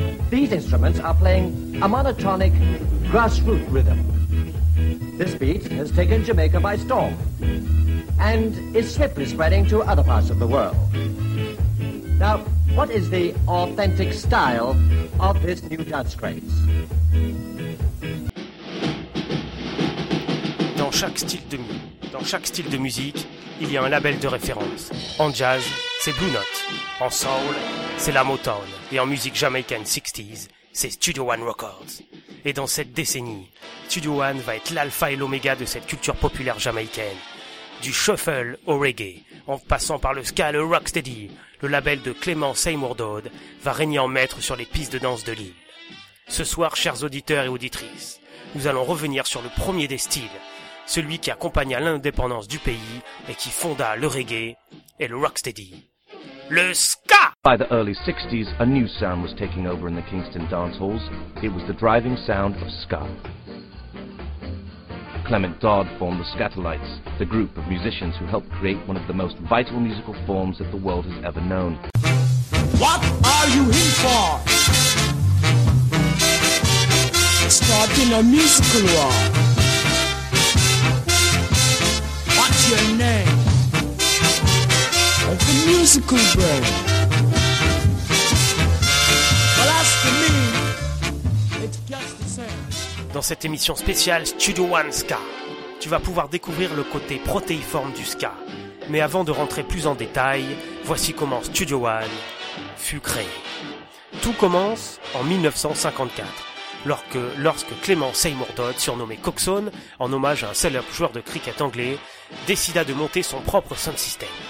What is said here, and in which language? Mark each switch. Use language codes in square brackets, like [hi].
[en] These instruments are playing a monotonic grassroots rhythm. This beat has taken Jamaica by storm and is swiftly spreading to other parts of the world. Now, what is the authentic style of this new dance craze? [fr] Dans chaque style de musique, il y a un label de référence. En jazz, c'est Blue Note. En soul, c'est la Motown. Et en musique jamaïcaine 60s, c'est Studio One Records. Et dans cette décennie, Studio One va être l'alpha et l'oméga de cette culture populaire jamaïcaine. Du shuffle au reggae, en passant par le ska, le rocksteady, le label de Clément Seymour Dodd va régner en maître sur les pistes de danse de l'île. Ce soir, chers auditeurs et auditrices, nous allons revenir sur le premier des styles, celui qui accompagna l'indépendance du pays et qui fonda le reggae et le rocksteady. Le ska! [en] By the early 60s, a new sound was taking over in the Kingston dance halls. It was the driving sound of ska. Clement Dodd formed the Scatolites, the group of musicians who helped create one of the most vital musical forms that the world has ever known. What are you here for? Starting a musical war. Your name of the musical brain. Well, as for me, it's just the same. [fr] Dans cette émission spéciale Studio One Ska, tu vas pouvoir découvrir le côté protéiforme du ska. Mais avant de rentrer plus en détail, voici comment Studio One fut créé. Tout commence en 1954. Lorsque Clément Seymour Dodd, surnommé Coxon, en hommage à un célèbre joueur de cricket anglais, décida de monter son propre sound system.